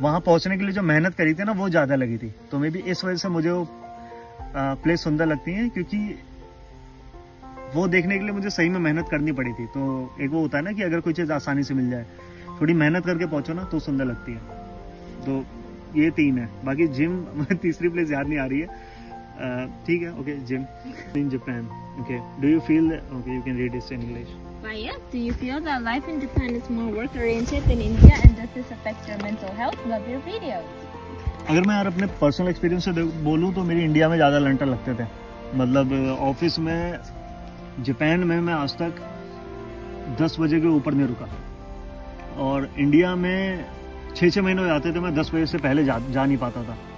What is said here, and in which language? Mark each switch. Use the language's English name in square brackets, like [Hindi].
[Hindi] वहां पहुंचने के लिए जो मेहनत करी थी ना वो ज्यादा लगी थी, तो मे भी इस वजह से मुझे वो प्लेस सुंदर लगती है क्योंकि वो देखने के लिए मुझे सही में मेहनत करनी पड़ी थी। तो एक वो होता है ना कि अगर कोई चीज आसानी से मिल जाए, थोड़ी मेहनत करके पहुंचो ना तो सुंदर लगती है। तो ये तीन है, बाकी जिम तीसरी प्लेस याद नहीं आ रही है। ठीक है, [English] Okay Jim in Japan. Okay do you feel, okay you can read this in English. But yeah, do you feel that life in Japan is more work-oriented than India, and does this affect your mental health? Love your videos. [Hindi] अगर मैं यार अपने personal experience से बोलूं तो मेरी India में ज़्यादा लंटर लगते थे, मतलब ऑफिस में। जापान में मैं आज तक 10 बजे के ऊपर नहीं रुका, और इंडिया में 6-6 महीने हो जाते थे मैं 10 बजे से पहले जा नहीं पाता था।